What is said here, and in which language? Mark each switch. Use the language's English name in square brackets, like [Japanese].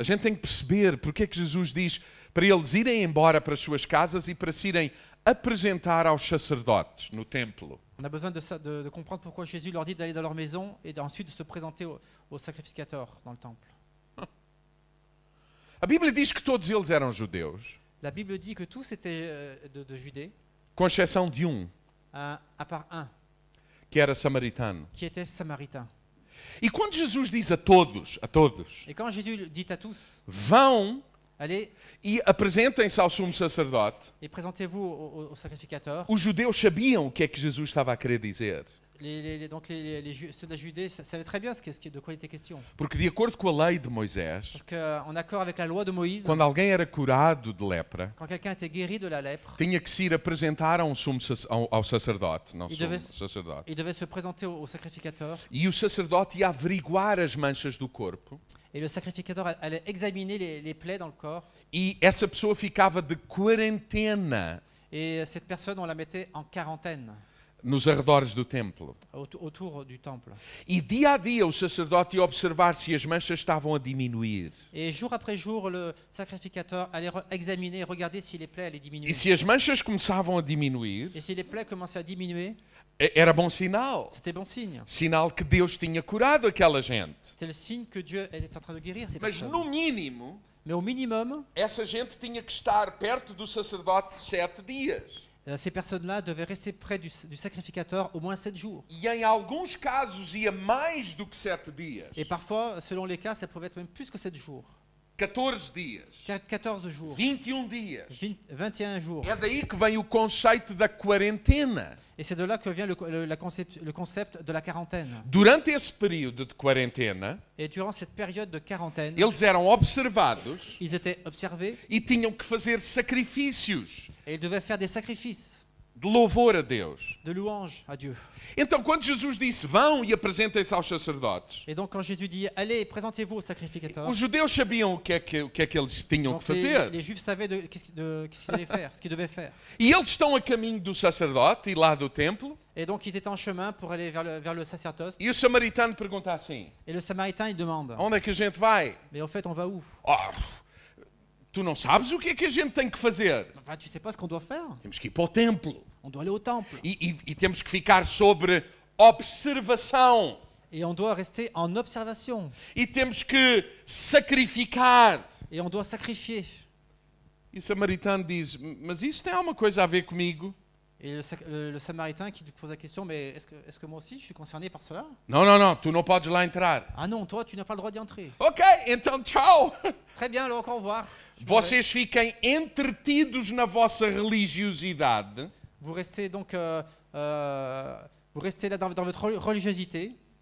[Portuguese] A gente tem que perceber porque é que Jesus diz para eles irem embora para as suas casas e para se irem apresentar aos sacerdotes no templo. [French] On a besoin de comprendre pourquoi Jésus leur dit d'aller dans leur maison et ensuite de se présenter aux sacrificateurs dans le temple. [Portuguese] A Bíblia diz que todos eles eram judeus. [French] La Bible dit que tous étaient de Judée. [Portuguese] Com exceção de um. [French] À part un. [Portuguese] Que era samaritano. [French] Qui était samaritain. [Portuguese] E quando Jesus diz a todos. [French] Et quand Jésus dit à tous. [Portuguese] Vão. [French] Allez. [Portuguese] E apresentem-se ao sumo sacerdote. [French] Et présentez-vous au sacrificateur. [Portuguese] Os judeus sabiam o que é que Jesus estava a querer dizer. [French] Ceux de la Judée savaient très bien de quoi il était question. [Portuguese] Porque de acordo com a lei de Moisés. [French] Parce que en accord avec la loi de Moïse. [Portuguese] Quando alguém era curado de lepra. [French] Quand quelqu'un était guéri de la lèpre. [Portuguese] Tinha que se ir apresentar ao sacerdote, não sumo sacerdote. [French] Il devait se présenter au sacrificateur. [Portuguese] E o sacerdote ia averiguar as manchas do corpo. [French] Et le sacrificateur allait examiner les plaies dans le corps. [Portuguese] E essa pessoa ficava de quarentena. [French] Et cette personne on la mettait en quarantaine. [Portuguese] Nos arredores do templo. [French] Autour du temple. [Portuguese] E dia a dia o sacerdote ia observar se as manchas estavam a diminuir. [French] Et jour après jour le sacrificateur allait examiner, regarder si les plaies allaient diminuer. [Portuguese] E se as manchas começavam a diminuir? [French] Et si les plaies commençaient à diminuer? [Portuguese] Era bom sinal. [French] C'était bon signe. [Portuguese] Sinal que Deus tinha curado aquela gente. [French] C'était le signe que Dieu était en train de guérir ces personnes. [Portuguese] Mas no mínimo, [French] mais au minimum, [Portuguese] essa gente tinha que estar perto do sacerdote 7 dias. [French] Ces personnes-là devaient rester près du sacrificateur au moins 7 jours. [Portuguese] E em alguns casos ia mais do que 7 dias. [French] Et parfois, selon les cas, ça pouvait être même plus que 7 jours. [Portuguese] 14 dias. [French] 14 jours. [Portuguese] 21 dias. [French] 21 jours. [Portuguese] É daí que vem o conceito da quarentena. [French] Et c'est de là que vient le concept de la quarantaine. [Portuguese] Durante esse período de quarentena. [French] Et durant cette période de quarantaine. [Portuguese] Eles eram observados. [French] Ils étaient observés. [Portuguese] E tinham que fazer sacrifícios. [French] Et ils devaient faire des sacrifices. [Portuguese] De louvor a Deus. [French] De louange à Dieu. [Portuguese] Então quando Jesus disse vão e apresentem-se aos sacerdotes. [French] Et donc quand Jésus dit allez présentez-vous aux sacrificateurs. [Portuguese] Os judeus sabiam o que é que eles tinham [French] donc [Portuguese] que fazer. [French] Les juifs savaient ce qu'ils devaient faire. [Portuguese] E eles estão a caminho do sacerdote e lá do templo. [French] Et donc ils étaient en chemin pour aller vers le sacerdote. [Portuguese] E o samaritano pergunta assim. [French] Et le samaritain il demande. [Portuguese] Onde é que a gente vai? [French] Mais en fait on va où? [Portuguese] Tu não sabes o que é que a gente tem que fazer. [French] Enfin, tu sais pas ce qu'on doit faire. [Portuguese] Temos que ir para o templo. [French] On doit aller au temple. [Portuguese] E temos que ficar sobre observação. [French] Et on doit rester en observation. [Portuguese] E temos que sacrificar. [French] Et on doit sacrifier. [Portuguese] E o samaritano diz: mas isso tem alguma coisa a ver comigo? E o samaritano que lhe pôs a questão: mas é que eu também sou concerné por isso? Não, tu não podes lá entrar. Ah, não, toi, tu não tens o direito de entrar. Ok, então tchau. [French] Très bien, alors, au revoir. [Portuguese] Vocês fiquem entretidos na vossa religiosidade. [French] Vous restez donc, vous restez là dans votre religiosité.